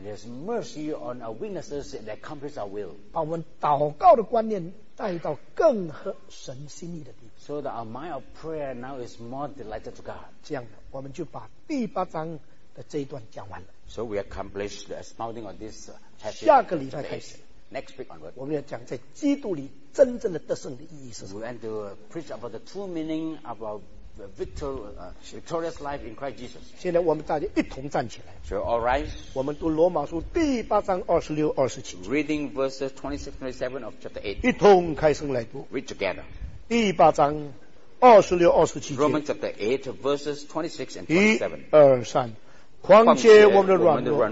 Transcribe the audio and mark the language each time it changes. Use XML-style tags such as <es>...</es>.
<en>And there's mercy on our weaknesses that accomplish our will.</en> <zh>把我们祷告的观念带到更合神心意的地步。</zh> <en>So that our mind of prayer now is more delighted to God.</en> <zh>这样，我们就把第八章的这一段讲完了。</zh> <en>So we accomplish the expounding of this chapter.</en> <zh>下个礼拜开始。</zh> <en>Next week onward,</en> <zh>我们要讲在基督里真正的得胜的意义是什么。</zh> <en>We want to preach about the true meaning of our victorious life in Christ Jesus.</en> <zh>现在我们大家一同站起来。</zh> <en>So all rise.</en> <zh>我们读罗马书第八章二十六、二十七。</zh> <en>Reading verses 26-27 of chapter 8.</en> <zh>一同开声来读。</zh> <en>Read together.</en> <zh>第八章二十六、二十七。</zh> <en>Romans chapter 8, verses 26 and 27.</en> <zh>一二三，况且我们的软</zh>